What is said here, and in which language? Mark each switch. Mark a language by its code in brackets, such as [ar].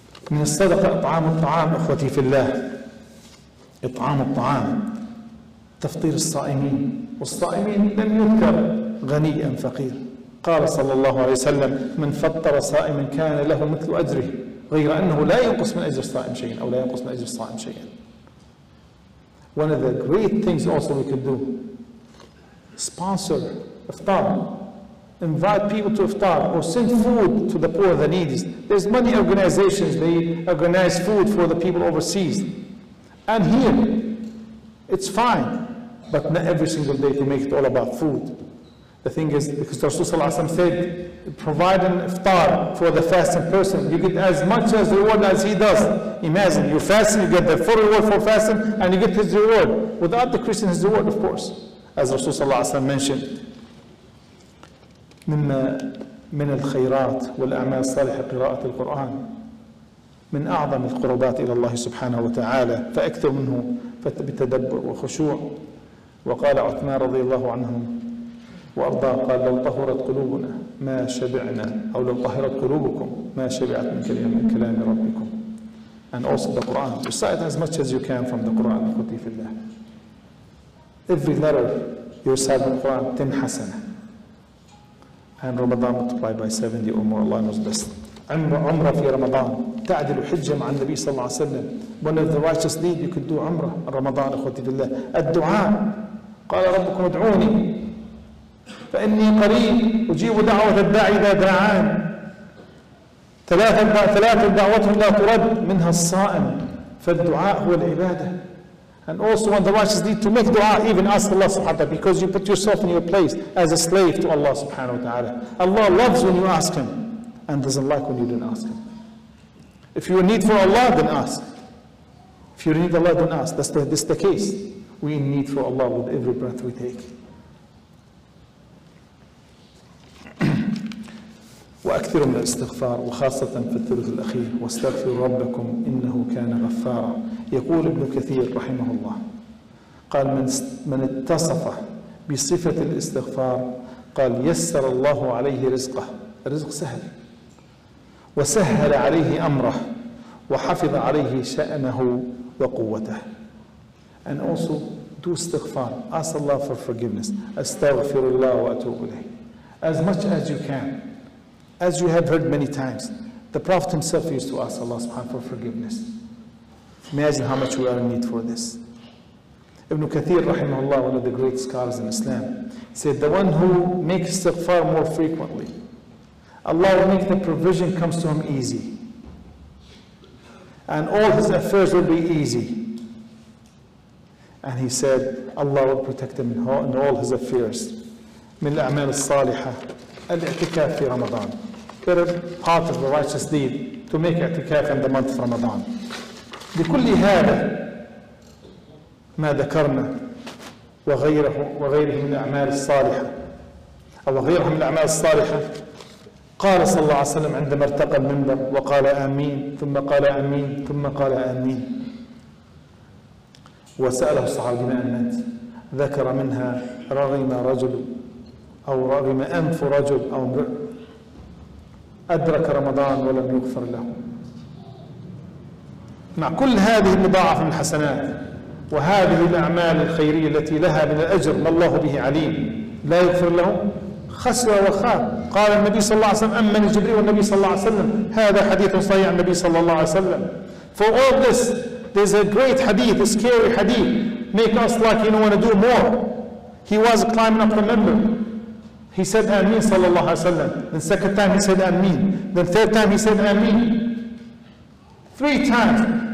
[ar] من الصدقة إطعام الطعام إخوتي في الله. إطعام الطعام. تفطير الصائمين. والصائمين لم يذكر غني أم فقير. قال صلى الله عليه وسلم: من فطر صائما كان له مثل أجره، غير أنه لا ينقص من أجر الصائم شيئا أو لا ينقص من أجر الصائم شيئا. [en] One of the great things also we could do. Sponsor iftar, invite people to iftar, or send food to the poor, the needy. There's many organizations, they organize food for the people overseas. And here, it's fine, but not every single day to make it all about food. The thing is, because Rasul Sallallahu Alaihi Wasallam said, providing iftar for the fasting person, you get as much as reward as he does. Imagine, you fast, you get the full reward for fasting, and you get his reward. Without the Christian, his reward, of course. As Rasul [ar] صلى الله عليه وسلم [en] mentioned, [ar] مما من الخيرات والأعمال الصالحة قراءة القرآن من أعظم القربات إلى الله سبحانه وتعالى فأكثر منه بتدبر وخشوع. وقال عثمان رضي الله عنهم وأرضاه قال: لو طهرت قلوبنا ما شبعنا أو لو طهرت قلوبكم ما شبعت من كلام ربكم. [en] And also the Quran. Recite as much as you can from the Quran. [ar] خطي في الله. [en] Every letter you recite in the Quran, 10 حسنة. And Ramadan multiplied by 70 or more. Allah knows best. Umrah fi Ramadan. [ar] تعدل حجة مع النبي صلى الله عليه وسلم. [en] One of the righteous deeds you could do umrah in Ramadan, [ar] أخوتي بالله. الدعاء. قال ربكم ادعوني. فإني قريب أجيب دعوة الداعي إذا دعان. ثلاثة دعوات لا ترد منها الصائم. فالدعاء هو العبادة. [en] And also when the righteous need to make dua, even ask Allah subhanahu wa ta'ala, because you put yourself in your place as a slave to Allah subhanahu wa ta'ala. Allah loves when you ask Him and doesn't like when you don't ask Him. If you need for Allah, then ask. If you need Allah, then ask. That's the case. We need for Allah with every breath we take. [ar] وأكثر من الاستغفار وخاصة في الثلث الأخير واستغفر ربكم إنه كان غفارا. يقول ابن كثير رحمه الله قال من اتصف بصفة الاستغفار قال يسر الله عليه رزقه, رزق سهل, وسهل عليه أمره وحفظ عليه شأنه وقوته. [en] And also do استغفار, ask Allah for forgiveness, [ar] أستغفر الله وأتوب إليه. [en] As much as you can, as you have heard many times, the Prophet himself used to ask Allah subhanahu wa ta'ala for forgiveness. Imagine how much we are in need for this. Ibn Kathir rahimahullah, one of the great scholars in Islam, said the one who makes istighfar more frequently, Allah will make the provision comes to him easy. And all his affairs will be easy. And he said, Allah will protect him in all his affairs. [ar] من الأعمال الصالحة الاعتكاف في رمضان. [en] Better part of the righteous deed to make i'tikaf in the month of Ramadan. [ar] لكل هذا ما ذكرنا وغيره من الأعمال الصالحة أو غيره من الأعمال الصالحة, قال صلى الله عليه وسلم عندما ارتقى المنبر وقال آمين ثم قال آمين ثم قال آمين, وسأله الصحابي ما أنت, ذكر منها رغم رجل أو رغم أنف رجل أو امرأ أدرك رمضان ولم يغفر له. مع كل هذه المضاعفة من الحسنات وهذه الأعمال الخيرية التي لها من الأجر ما الله به عليم, لا يغفر له, خسر وخاب. قال النبي صلى الله عليه وسلم أمن جبريل والنبي صلى الله عليه وسلم, هذا حديث صحيح النبي صلى الله عليه وسلم. [en] For all this, there's a great hadith, a scary hadith, make us like you don't want to do more. He was climbing up the member. He said Ameen sallallahu alayhi wa sallam. Then second time he said Ameen. Then third time he said Ameen. Three times.